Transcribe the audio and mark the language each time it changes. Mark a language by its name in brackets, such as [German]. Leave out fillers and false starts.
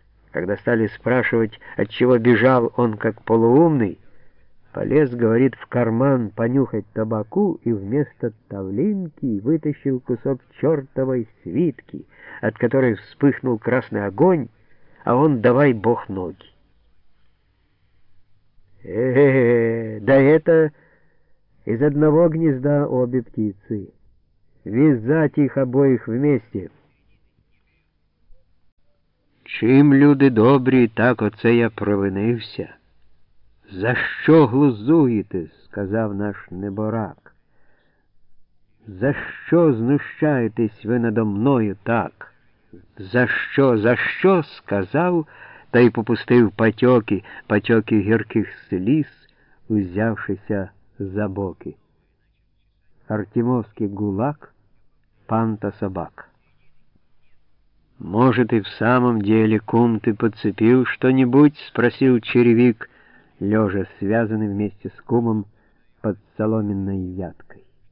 [Russian] Когда стали спрашивать, отчего бежал он как полуумный, полез, говорит, в карман понюхать табаку и вместо тавлинки вытащил кусок чертовой свитки, от которой вспыхнул красный огонь, а он давай бог ноги». Да это из одного гнезда обе птицы. Вязать их обоих вместе. [Ukrainian] Чим люди добрі, так оце я провинився. За що глузуєте, сказав наш неборак. За що знущаєтесь ви надо мною так? За що, сказав, та й попустив потеки гірких сліз, узявшися за боки. [Russian] Артемовский гулаг, панта собак. «Может, и в самом деле, кум, ты подцепил что-нибудь?» — спросил черевик, лежа связанный вместе с кумом под соломенной вяткой.